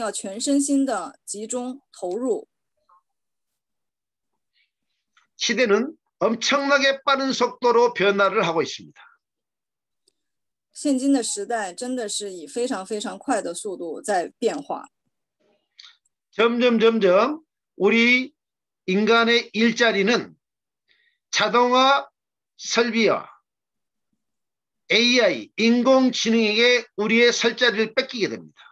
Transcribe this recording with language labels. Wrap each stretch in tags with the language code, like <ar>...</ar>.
<zh>也就是说，一定要全身心的集中投入。</zh> <ko>시대는 엄청나게 빠른 속도로 변화를 하고 있습니다.</ko> <zh>现今的时代真的是以非常非常快的速度在变化。</zh> <ko>점점 우리 인간의 일자리는 자동화 설비와 AI, 인공지능에게 우리의 설자리를 뺏기게 됩니다.</ko>